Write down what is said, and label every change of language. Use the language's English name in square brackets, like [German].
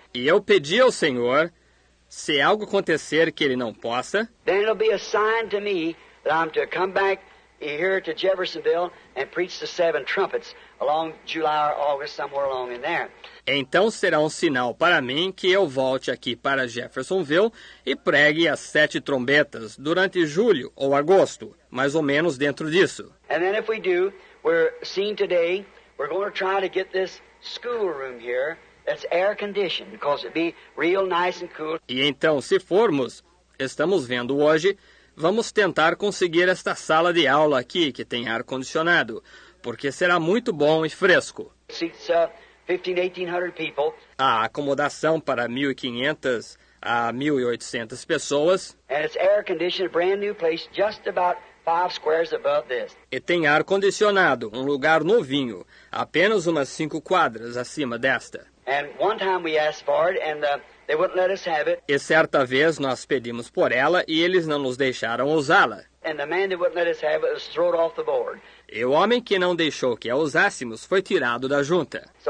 [Portuguese] E eu pedi ao Senhor, se algo acontecer que ele não possa, [English] then it'll be a sign to me that I'm to come back here to Jeffersonville and preach the seven trumpets along July or August, somewhere along in there. [Portuguese] Então será um sinal para mim que eu volte aqui para Jeffersonville e pregue as sete trombetas durante julho ou agosto, mais ou menos dentro disso. [English] And then if we do, we're seeing today, we're going to try to get this schoolroom here that's air conditioned, because it'd be real nice and cool. [Portuguese] E então, se formos, estamos vendo hoje, vamos tentar conseguir esta sala de aula aqui que tem ar condicionado, porque será muito bom e fresco. [English] Seats, 1,500 people. [Portuguese] A acomodação para 1,500 a 1,800 pessoas. [English] And it's air conditioned, a brand new place, just about 5 squares above this. [Portuguese] E tem ar condicionado, um lugar novinho, apenas umas 5 quadras acima desta. [English] And one time we asked for it and they wouldn't let us have it. [Portuguese] E certa vez nós pedimos por ela e eles não nos deixaram usá-la. [English] And the man that wouldn't let us have it was thrown off the board. [Portuguese] E o homem que não deixou que a usássemos foi tirado da junta.